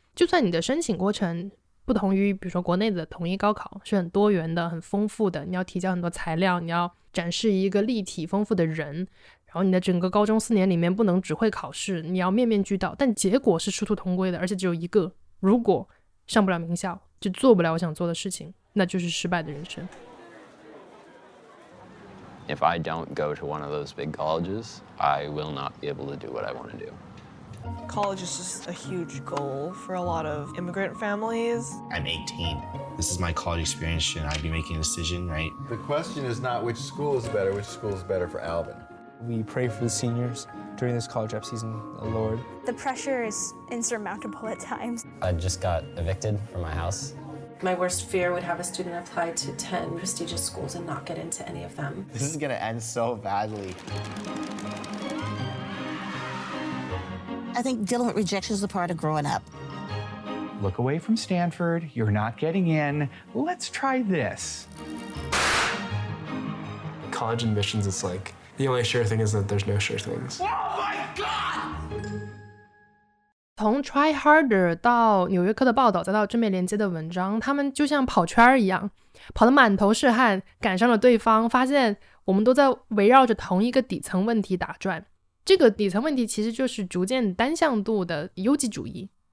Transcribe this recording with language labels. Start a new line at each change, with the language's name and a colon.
Chinese: 就算你的申请过程不同于比如说国内的统一高考，是很多元的很丰富的，你要提交很多材料，你要展示一个立体丰富的人，然后你的整个高中四年里面不能只会考试，你要面面俱到，但结果是殊途同归的，而且只有一个，如果上不了名校就做不了我想做的事情，那就是失败的人生。
English: If I don't go to one of those big colleges, I will not be able to do what I want to do. College is just a huge goal for a lot of immigrant families. I'm 18. This is my college experience. Should I be making a decision, right? The question is not which school is better, which school is better for Alvin. We pray for the seniors during this college prep season, Lord. The pressure is insurmountable at times. I just got evicted from my house. My worst fear would have a student apply to 10 prestigious schools and not get into any of them. This is gonna end so badly. I think dealing with rejection is a part of growing up. Look away from Stanford, you're not getting in. Let's try this. College admissions, it's like, the only sure thing is that there's no sure things. Oh my God!
Chinese: 从 try harder 到纽约客的报道，再到正面连接的文章，他们就像跑圈一样，跑得满头是汗，赶上了对方，发现我们都在围绕着同一个底层问题打转。这个底层问题其实就是逐渐单向度的优绩主义。